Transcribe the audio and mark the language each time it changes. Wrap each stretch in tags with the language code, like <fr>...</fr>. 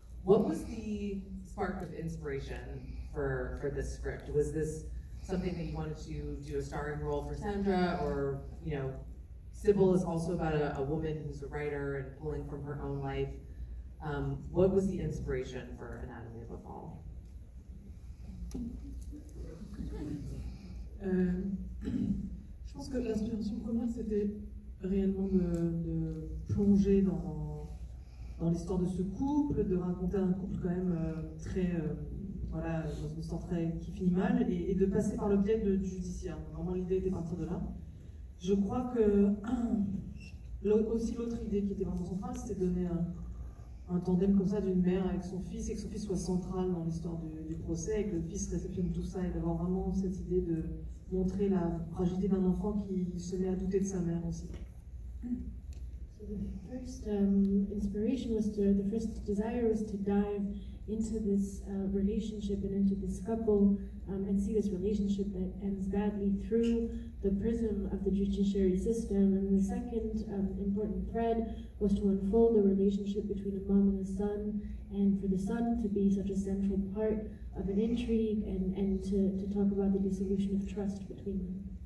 <en>What was the spark of inspiration for this script? Was this something that you wanted to do a starring role for Sandra, or, you know, Sybil is also about a woman who's a writer and pulling from her own life. What was the inspiration for Anatomy of a Fall?</en> <fr>Je pense que l'inspiration première, c'était réellement de plonger dans l'histoire de ce couple, de raconter un couple quand même très, dans une histoire très, qui finit mal, et de passer par le biais du judiciaire. Vraiment, l'idée était de partir de là. Je crois que l'autre idée qui était vraiment centrale, c'était de donner un tandem comme ça d'une mère avec son fils, et que son fils soit central dans l'histoire du procès, et que le fils réceptionne tout ça, et d'avoir vraiment cette idée de montrer la fragilité d'un enfant qui se met à douter de sa mère aussi.</fr> <en>So the first inspiration was to, the first desire was to dive into this relationship and into this couple and see this relationship that ends badly through the prism of the judiciary system. And the second important thread was to unfold the relationship between a mom and a son, and for the son to be such a central part of an intrigue and to talk about the dissolution of trust between them.</en>